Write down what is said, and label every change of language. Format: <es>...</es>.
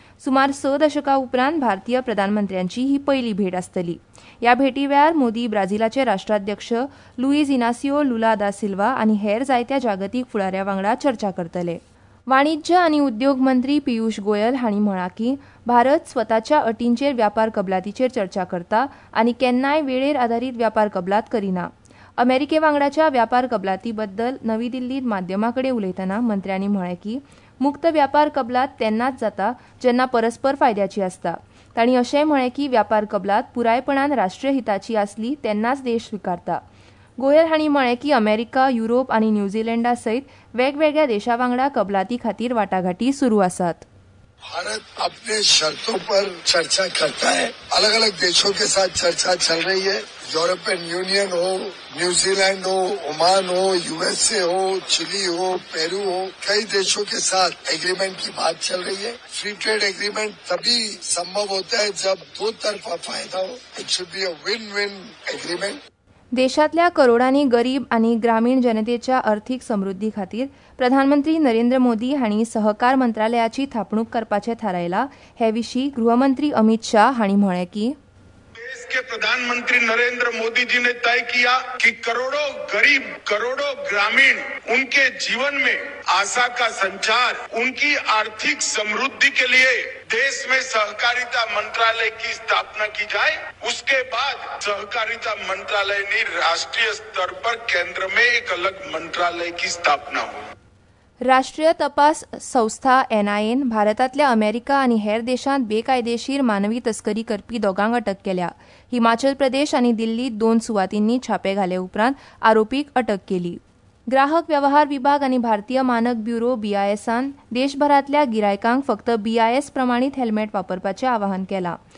<gom>सुमार 6 दशका उपरांत भारतीय प्रधानमंत्र्यांची ही पहिली भेट आसतली. या भेटीवेळार मोदी ब्राझीलाचे राष्ट्राध्यक्ष लुईज इनासियो लुला दा सिल्वा आनी हेर जायत्या जागतीक फुडाऱ्या वांगडा चर्चा करतले. वाणिज्य आनी उद्योग मंत्री पियुष गोयल हांणी म्हळां की भारत स्वताच्या अटींचेर व्यापार कबलातीचेर चर्चा करता आनी केन्नाय वेळेर आधारीत व्यापार कबलात करिना. अमेरिके वांगडाच्या व्यापार कबलाती बद्दल नवी दिल्लीत माध्यमांकडे उलयतना मंत्र्यांनी म्हळें की मुक्त व्यापार कबलात तेन्नाच जाता जेन्ना परस्पर फायद्याची आसता. तांणी अशेंय म्हळें की व्यापार कबलात पुरायपणान राष्ट्रीय हिताची आसली तेन्नाच देश स्विकारता. गोयल हांणी म्हळें की अमेरिका, युरोप आनी न्यूझीलंडा सयत वेगवेगळ्या देशांवांगडा कबलाती खातीर वाटाघाटी सुरू आसात.</gom> <hi>भारत अपने शर्तों पर चर्चा करता है, अलग अलग देशों के साथ चर्चा चल रही है. यूरोपियन यूनियन हो, न्यूजीलैंड हो, ओमान हो, यूएसए हो, चिली हो, पेरू हो, कई देशों के साथ एग्रीमेंट की बात चल रही है. फ्री ट्रेड एग्रीमेंट तभी संभव होता है जब दो तरफा फायदा हो.</hi> <en>It should be a win win agreement.</en> <gom>देशातल्या करोडांनी गरीब आणि ग्रामीण जनतेच्या आर्थिक समृद्धी खातीर प्रधानमंत्री नरेंद्र मोदी हांणी सहकार मंत्रालयाची थापणूक करपाचे थारायला. हे विषयी गृहमंत्री अमित शाह हांणी म्हळे की</gom> <hi>देश के प्रधानमंत्री नरेंद्र मोदी जी ने तय किया कि करोड़ों गरीब, करोड़ों ग्रामीण उनके जीवन में आशा का संचार, उनकी आर्थिक समृद्धि के लिए देश में सहकारिता मंत्रालय की स्थापना की जाए. उसके बाद सहकारिता मंत्रालय ने राष्ट्रीय स्तर पर केंद्र में एक अलग मंत्रालय की स्थापना हो.</hi> <gom>राष्ट्रीय तपास संस्था एनआयएन भारतातल्या अमेरिका आणि हेर देशांत बेकायदेशीर मानवी तस्करी करपी दोघांक अटक केल्या. हिमाचल प्रदेश आणि दिल्लीत 2 सुवातींनी छापे घाले उपरांत आरोपीक अटक केली. ग्राहक व्यवहार विभाग आणि भारतीय मानक ब्युरो बीआयएसान देशभरातल्या गिरायकांक फक्त बीआयएस प्रमाणित हेल्मेट वापरपाचे आवाहन केला.</gom>